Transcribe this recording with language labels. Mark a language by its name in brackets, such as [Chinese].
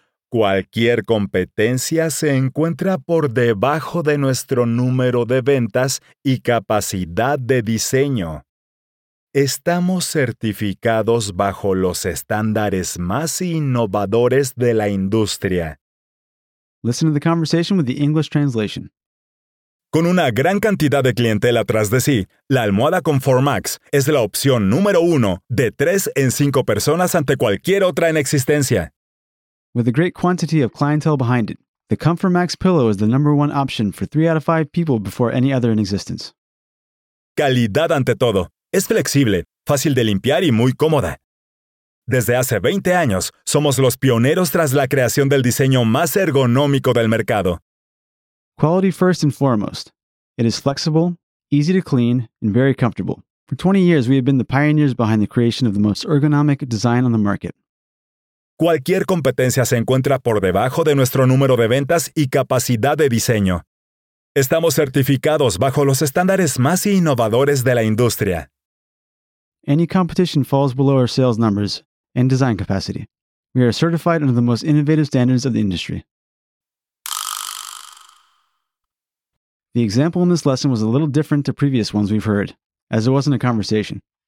[Spanish] Cualquier competencia se encuentra por debajo de nuestro número de ventas y capacidad de diseño. Estamos certificados bajo los estándares más innovadores de la industria. [English] Listen to the conversation with the English translation. [Spanish] Con una gran cantidad de clientela tras de sí, la almohada Comfort Max es la opción número uno de 3 en 5 personas ante cualquier otra en existencia. [English] With a great quantity of clientele behind it, the Comfort Max pillow is the number one option for 3 out of 5 people before any other in existence. [Spanish] Calidad ante todo. Es flexible, fácil de limpiar y muy cómoda. Desde hace 20 años, somos los pioneros tras la creación del diseño más ergonómico del mercado. [English] Quality first and foremost. It is flexible, easy to clean, and very comfortable. For 20 years, we have been the pioneers behind the creation of the most ergonomic design on the market. [Spanish] Cualquier competencia se encuentra por debajo de nuestro número de ventas y capacidad de diseño. Estamos certificados bajo los estándares más innovadores de la industria. [English] Any competition falls below our sales numbers and design capacity. We are certified under the most innovative standards of the industry. The example in this lesson was a little different to previous ones we've heard, as it wasn't a conversation.